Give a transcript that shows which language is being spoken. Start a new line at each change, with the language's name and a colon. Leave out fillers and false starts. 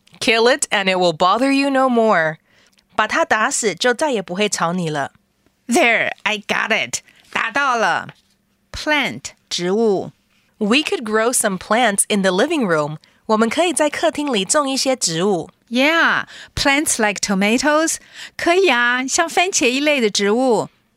English: Kill it and it will bother you no more.
Chinese: 把它打死就再也不会吵你了。
English: There, I got it.
Chinese: 打到了。
English: Plant, 植物。 We could grow some plants in the living room.
Chinese: 我们可以在客厅里种一些植物。
English: Yeah, plants like tomatoes?
Chinese: 可以啊,像番茄一类的植物。